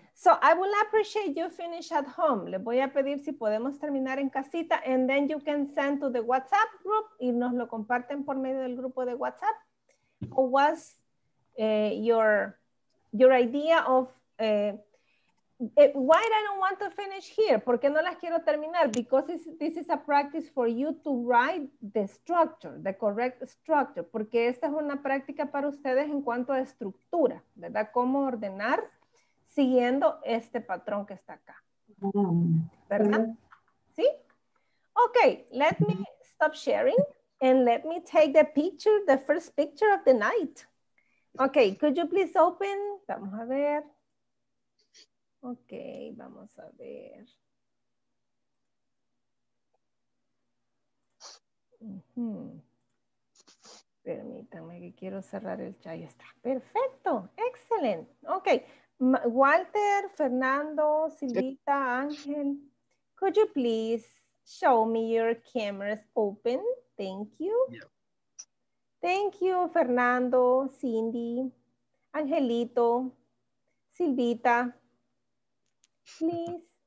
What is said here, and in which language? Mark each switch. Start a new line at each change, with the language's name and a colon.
English: So I will appreciate you finish at home.
Spanish: Les voy a pedir si podemos terminar en casita
English: and then you can send to the WhatsApp group
Spanish: y nos lo comparten por medio del grupo de WhatsApp.
English: What was your idea of why I don't want to finish here?
Spanish: ¿Por qué no las quiero terminar?
English: Because this is a practice for you to write the structure, the correct structure.
Spanish: Porque esta es una práctica para ustedes en cuanto a estructura, ¿verdad? Cómo ordenar siguiendo este patrón que está acá. ¿Verdad? ¿Sí?
English: Ok, let me stop sharing and let me take the picture, the first picture of the night. Ok, could you please open?
Spanish: Vamos a ver. Ok, vamos a ver. Permítanme que quiero cerrar el chat. Ya está. Perfecto, excelente. Ok.
English: Walter, Fernando, Silvita, Ángel, could you please show me your cameras open? Thank you. Yeah. Thank you, Fernando, Cindy, Angelito, Silvita. Please.